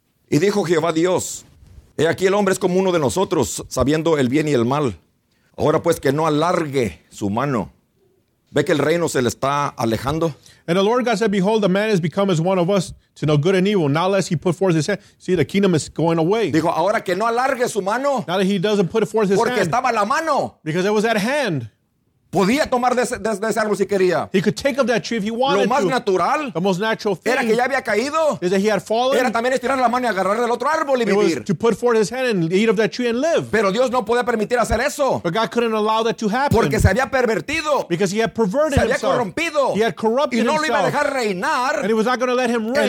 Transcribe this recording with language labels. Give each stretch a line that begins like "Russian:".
Spanish: Y dijo Jehová Dios, he aquí el hombre es como uno de nosotros, sabiendo el bien y el mal. Ahora pues que no alargue su mano. ¿Ve que el reino se le está alejando?
English: And the Lord God said, behold, the man has become as one of us to know good and evil. Now lest he put forth his hand. See, the kingdom is going away.
Spanish: Dijo, ahora que no alargue su mano.
English: Now that he doesn't put forth his
Spanish: porque
English: hand.
Spanish: Porque estaba la mano.
English: Because it was at hand.
Spanish: Podía tomar de ese árbol si quería.
English: He could take of that tree if he wanted to.
Spanish: Lo más natural.
English: The most natural thing.
Spanish: Era que ya había caído.
English: Is that he had fallen.
Spanish: Era también estirar la mano y agarrar del otro árbol y vivir.
English: To put forth his hand and eat of that tree and live.
Spanish: Pero Dios no podía permitir hacer eso.
English: But God couldn't allow that to happen.
Spanish: Porque se había pervertido.
English: Because he had perverted himself.
Spanish: Se había Corrompido.
English: He had corrupted himself.
Spanish: Y no lo iba a dejar reinar.
English: And he was not going to let him reign.